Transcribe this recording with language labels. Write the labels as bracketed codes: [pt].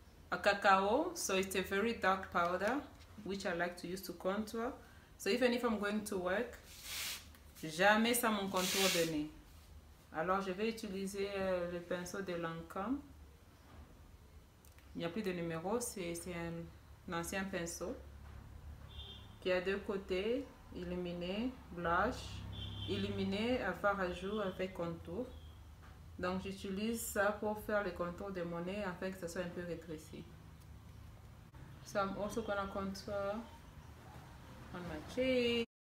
[en] a cacao, so it's a very dark powder, which I like to use to contour. So even if I'm going to work, [fr] jamais sans mon contour de nez. Alors je vais utiliser le pinceau de Lancôme. Il n'y a plus de numéro, c'est un ancien pinceau qui a deux côtés, illuminé, blush, illuminé à fard à jour avec contour. Donc j'utilise ça pour faire le contour de mon nez afin que ça soit un peu rétréci. [en] So I'm also gonna contour on my cheek.